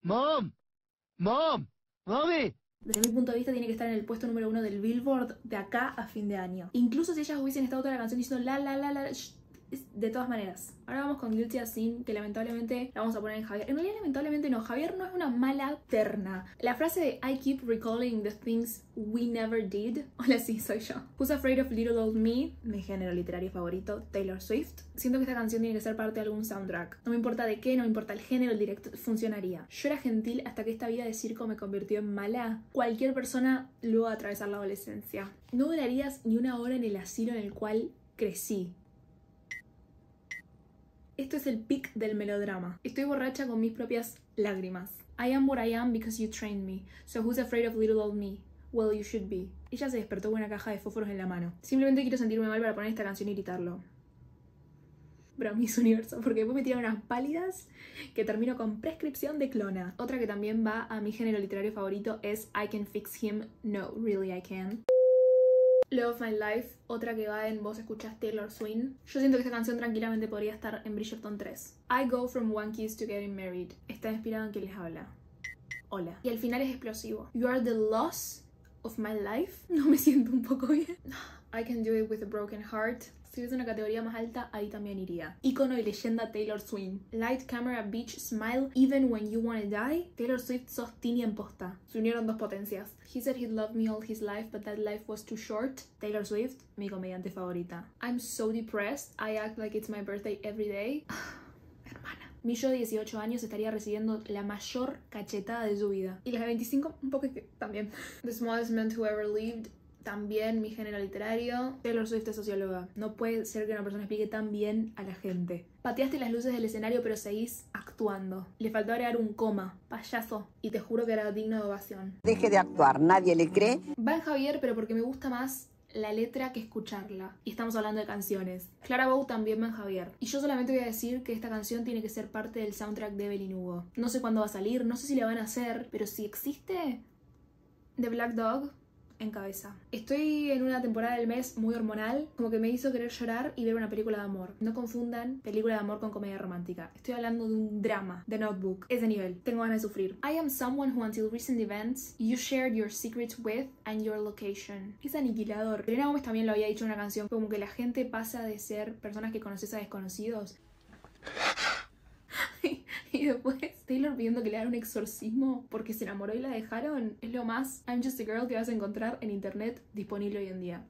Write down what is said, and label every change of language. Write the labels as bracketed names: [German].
[English] ¡Mom! ¡Mom! ¡Mommy! [Spanish] Desde mi punto de vista, tiene que estar en el puesto número 1 del Billboard de acá a fin de año. Incluso si ellas hubiesen estado toda la canción diciendo la. De todas maneras, ahora vamos con Guilty As Sin, que lamentablemente la vamos a poner en Javier. En realidad, lamentablemente no, Javier no es una mala terna. La frase de [English] I keep recalling the things we never did. [Spanish] Hola, sí, soy yo. Who's Afraid of Little Old Me, mi género literario favorito, Taylor Swift. Siento que esta canción tiene que ser parte de algún soundtrack. No me importa de qué, no me importa el género, el directo, funcionaría. Yo era gentil hasta que esta vida de circo me convirtió en mala. Cualquier persona luego de atravesar la adolescencia. No durarías ni una hora en el asilo en el cual crecí. Esto es el pic del melodrama. Estoy borracha con mis propias lágrimas. [English] I am what I am because you trained me. So who's afraid of little old me? Well, you should be. [Spanish] Ella se despertó con una caja de fósforos en la mano. Simplemente quiero sentirme mal para poner esta canción y gritarlo. Bro, Miss Universo, porque después me tiran unas pálidas que termino con prescripción de clona. Otra que también va a mi género literario favorito es [English] I can fix him. No, really I can. [Spanish] Love of My Life, otra que va en Vos Escuchás Taylor Swift. Yo siento que esta canción tranquilamente podría estar en Bridgerton 3. [English] I Go From One Kiss to Getting Married. [Spanish] Está inspirado en quien les habla. Hola. Y el final es explosivo. [English] You Are the Loss of My Life. [Spanish] No me siento un poco bien. I Can Do It With a Broken Heart. Si hubiese una categoría más alta, ahí también iría. Ícono y leyenda [English] Taylor Swift. Light, Camera, Beach, Smile, Even When You Wanna Die. [Spanish] Taylor Swift sos teeny en posta. Se unieron dos potencias. [English] He Said He Loved Me All His Life, But That Life Was Too Short. Taylor Swift, [Spanish] mi comediante favorita. [English] I'm So Depressed, I Act Like It's My Birthday Every Day. [Spanish] Hermana. Mi yo de 18 años estaría recibiendo la mayor cachetada de su vida. Y la de 25, un poco que también. The Smallest Man Who Ever Lived. También mi género literario. Taylor Swift es socióloga. No puede ser que una persona explique tan bien a la gente. Pateaste las luces del escenario, pero seguís actuando. Le faltó agregar un coma. Payaso. Y te juro que era digno de ovación. Deje de actuar. Nadie le cree. Va en Javier, pero porque me gusta más la letra que escucharla. Y estamos hablando de canciones. Clara Bow también va en Javier. Y yo solamente voy a decir que esta canción tiene que ser parte del soundtrack de Evelyn Hugo. No sé cuándo va a salir. No sé si la van a hacer. Pero si existe... The Black Dog... En cabeza. Estoy en una temporada del mes muy hormonal, como que me hizo querer llorar y ver una película de amor. No confundan película de amor con comedia romántica. Estoy hablando de un drama, The Notebook. Ese nivel. Tengo ganas de sufrir. [English] I am someone who until recent events you shared your secrets with and your location. [Spanish] Es aniquilador. Selena Gomez también lo había dicho en una canción, como que la gente pasa de ser personas que conoces a desconocidos. Y después, Taylor pidiendo que le hagan un exorcismo porque se enamoró y la dejaron. Es lo más [English] I'm just a girl [Spanish] que vas a encontrar en internet disponible hoy en día.